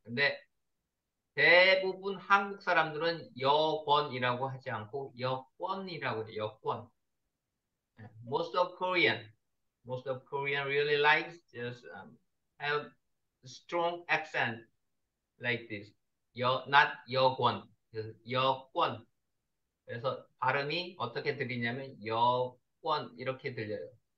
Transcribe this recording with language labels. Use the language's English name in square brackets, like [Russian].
[Korean] 근데 대부분 한국 사람들은 여권이라고 하지 않고 여권이라고 해요. 여권. [English] Most of Korean really likes just have strong accent. Like this, not 여권, 여권. [Korean] 그래서 발음이 어떻게 들리냐면 여권 이렇게 들려요.